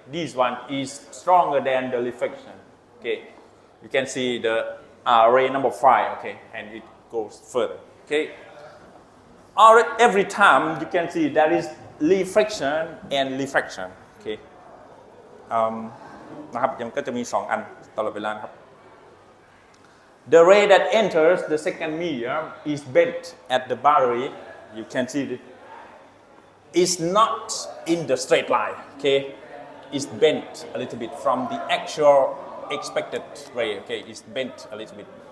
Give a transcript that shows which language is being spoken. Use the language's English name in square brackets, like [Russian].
[English] This one is stronger than the reflection, okay? You can see the ray number five, okay? And it goes further, okay? Every time, you can see there is reflection and refraction, okay? [Thai] นะครับยังก็จะมี2อันตลอดเวลาครับ [English] The ray that enters the second medium is bent at the boundary. You can see it is not in the straight line. Okay, it's bent a little bit from the actual expected ray. Okay, it's bent a little bit.